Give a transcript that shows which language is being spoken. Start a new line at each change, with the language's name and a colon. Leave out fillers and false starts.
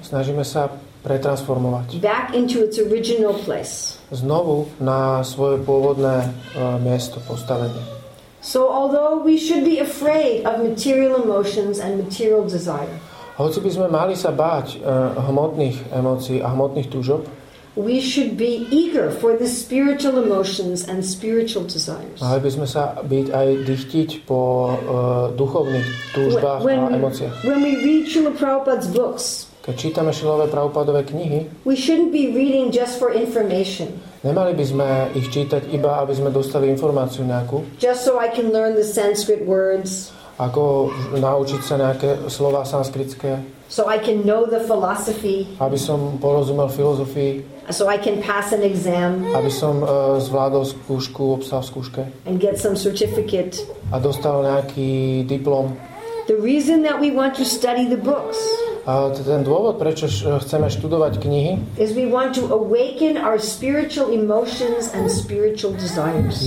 Slovak: Snažíme sa pretransformovať.
English: Back into its original place.
Slovak: Znovu na svoje pôvodné miesto postavenie.
English: So although we should be afraid of material emotions and material desire.
Slovak: Hoci by sme mali sa báť hmotných emócií a hmotných túžob.
English: We should be eager for the spiritual emotions and spiritual desires.
Slovak: Mali by sme sa byť aj dychtiť po duchovných túžbách
English: when
Slovak: a emóciách.
English: When we read Srila Prabhupada's books.
Slovak: Keď čítame Šilové Prabhupádové knihy,
English: we shouldn't be reading just for information.
Slovak: Nemali by sme ich čítať iba, aby sme dostali informáciu nejakú.
English: Just so I can learn the Sanskrit words.
Slovak: Ako naučiť sa nejaké slova sanskritské.
English: So I can know the philosophy.
Slovak: Aby som porozumel filozofii.
English: So I can pass an exam.
Slovak: Aby som zvládol skúšku, obstal skúške.
English: And get some certificate.
Slovak: A dostal nejaký diplom.
English: The reason that we want to study the books.
Slovak: A ten dôvod, prečo chceme študovať knihy,
English: is we want to awaken our spiritual emotions and spiritual desires.